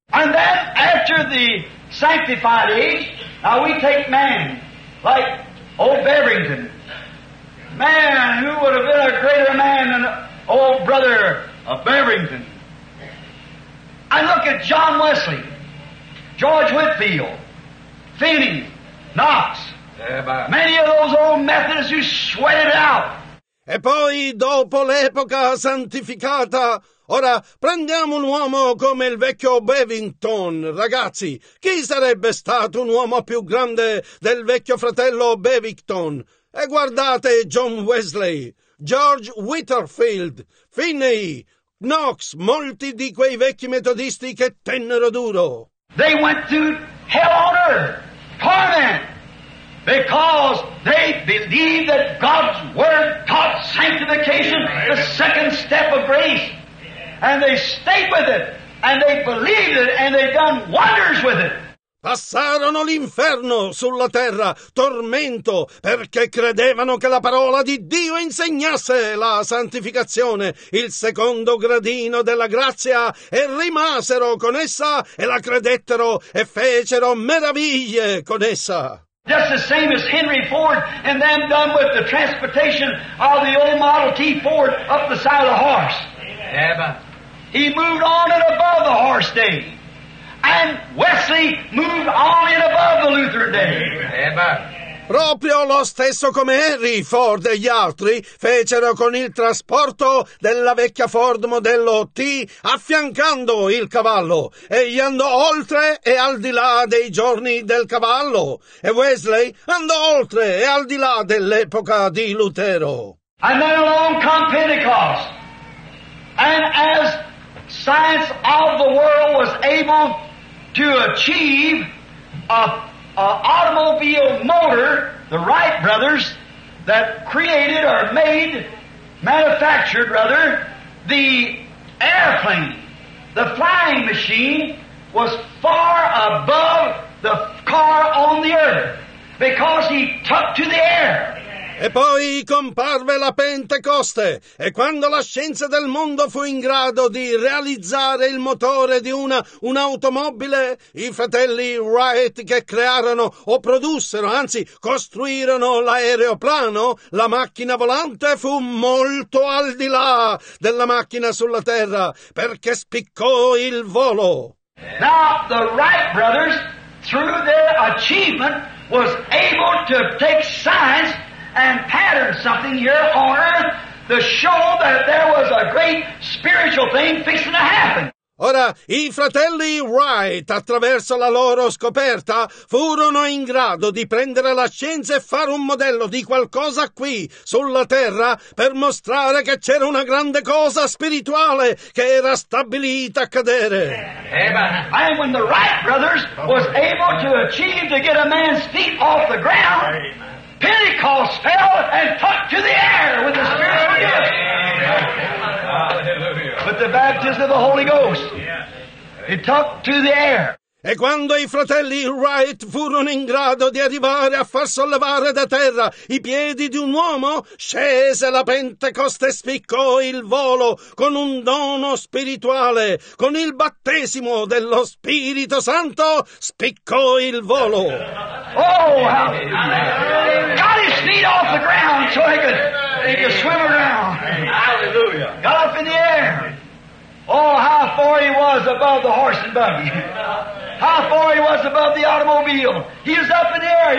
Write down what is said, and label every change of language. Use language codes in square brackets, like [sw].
[en] And then, after the sanctified age, now we take man, like old Barrington. Man, who would have been a greater man than old brother of Beverington. I look at John Wesley, George Whitfield, Finney, Knox, many of those old Methodists who sweated out. [it] E poi, dopo l'epoca santificata, ora prendiamo un uomo come il vecchio Bevington. Ragazzi, chi sarebbe stato un uomo più grande del vecchio fratello Bevington? E guardate John Wesley, George Whitefield, Finney, Knox, molti di quei vecchi metodisti che tennero duro. [en] They went to hell on earth, torment. Because they believe that God's Word taught sanctification, the second step of grace. And they stayed with it, and they believed it, and they've done wonders with it. [it] Passarono l'inferno sulla terra, tormento, perché credevano che la parola di Dio insegnasse la santificazione, il secondo gradino della grazia, e rimasero con essa, e la credettero, e fecero meraviglie con essa. [en] Just the same as Henry Ford and them done with the transportation of the old Model T Ford up the side of the horse. Amen. He moved on and above the horse day. And Wesley moved on and above the Lutheran day. Amen. [it] Proprio lo stesso come Henry Ford e gli altri fecero con il trasporto della vecchia Ford modello T affiancando il cavallo. Egli andò oltre e al di là dei giorni del cavallo. E Wesley andò oltre e al di là dell'epoca di Lutero. [en] And then along come Pentecost. And as science of the world was able to achieve an automobile motor, the Wright brothers, that created or made, manufactured rather, the airplane, the flying machine, was far above the car on the earth because he took to the air. [it] E poi comparve la Pentecoste, e quando la scienza del mondo fu in grado di realizzare il motore di un'automobile, i fratelli Wright che crearono o produssero, anzi costruirono l'aeroplano, la macchina volante fu molto al di là della macchina sulla terra, perché spiccò il volo. [en] Now the Wright brothers, through their achievement, was able to take science and pattern something here on earth to show that there was a great spiritual thing fixing to happen. [it] Ora, i fratelli Wright, attraverso la loro scoperta, furono in grado di prendere la scienza e fare un modello di qualcosa qui, sulla terra, per mostrare che c'era una grande cosa spirituale che era stabilita a cadere. [en] And when the Wright brothers was able to achieve to get a man's feet off the ground, Pentecost fell and took to the air with the Spirit of God. Hallelujah. With the baptism of the Holy Ghost. It took to the air. [it] E quando i fratelli Wright furono in grado di arrivare a far sollevare da terra i piedi di un uomo, scese la Pentecoste e spiccò il volo con un dono spirituale. Con il battesimo dello Spirito Santo spiccò il volo. [en] Oh, how got his feet off the ground so he could swim around. Hallelujah. Got up in the air. Oh, how far he was above the horse and buggy. How far he was above the automobile. He was up in the air.